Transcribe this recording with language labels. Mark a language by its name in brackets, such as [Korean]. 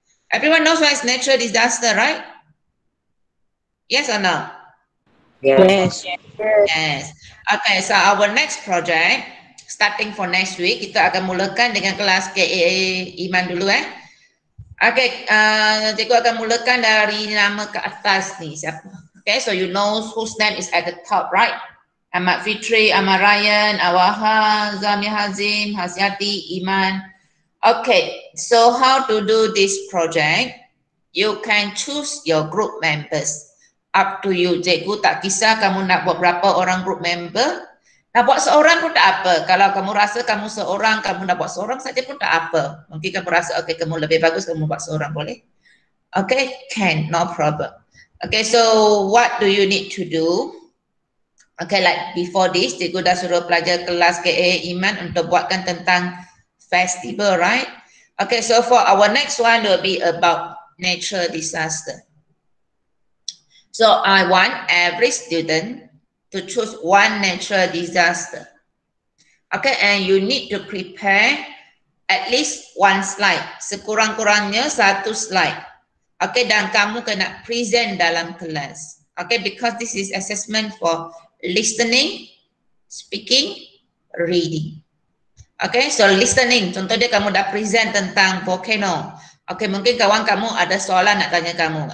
[English] Everyone knows what is natural disaster, right? Yes or no? Yes. [Malay] Okay, [English] so our next project, starting for next week, [Malay] kita akan mulakan dengan kelas KAA Iman dulu eh. Okay, cikgu akan mulakan dari nama ke atas ni. Siapa? [English] Okay, so you know whose name is at the top, right? Ahmad Fitri, Ahmad Ryan, Awaha, Zami Hazim, Hasyati, Iman. Okay, so how to do this project? You can choose your group members. Up to you, [Malay] cikgu tak kisah kamu nak buat berapa orang group member. Nak buat seorang pun tak apa. Kalau kamu rasa kamu seorang, kamu nak buat seorang saja pun tak apa. Mungkin kamu rasa, okay, kamu lebih bagus, kamu buat seorang, boleh? [English] Okay, can, no problem. [Malay] Okay, [English] so what do you need to do? Okay, like before this, [Malay] cikgu dah suruh pelajar kelas KA Iman untuk buatkan tentang festival, right? [English] Okay, so for our next one will be about natural disaster. So I want every student to choose one natural disaster. Okay, and you need to prepare at least one slide. [Malay] Sekurang-kurangnya satu slide. Okay, dan kamu kena present dalam kelas. [English] Okay, because this is assessment for listening, speaking, reading. Okay, so listening. [Malay] Contoh dia kamu dah present tentang volcano. Okay, mungkin kawan kamu ada soalan nak tanya kamu.